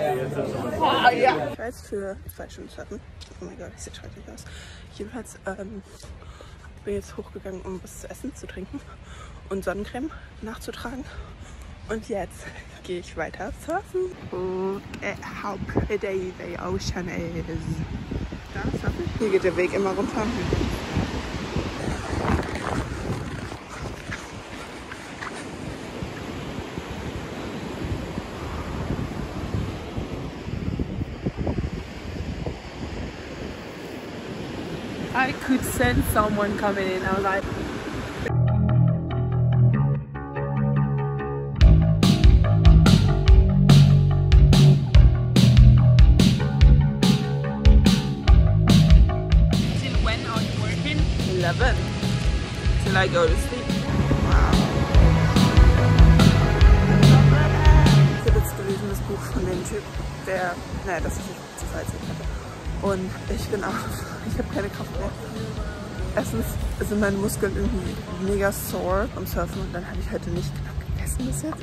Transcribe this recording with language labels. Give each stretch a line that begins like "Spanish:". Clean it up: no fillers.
German: Ich weiß, für zwei Stunden Schatten. Oh mein Gott, das sieht schrecklich aus. Jedenfalls bin ich jetzt hochgegangen, um was zu essen, zu trinken und Sonnencreme nachzutragen. Und jetzt gehe ich weiter surfen.
English: Look at how pretty the ocean is.
German: Hier geht der Weg immer runter.
English: I could sense someone coming in. I was like, till when are you working? 11. Till I go to sleep.
German: Ich habe jetzt gelesen das Buch von dem Typ, der. Naja, das ist nicht zu falsch. Und ich bin auch. Ich habe keine Kraft mehr. Erstens sind meine Muskeln irgendwie mega sore am Surfen und dann habe ich heute nicht genug gegessen bis jetzt.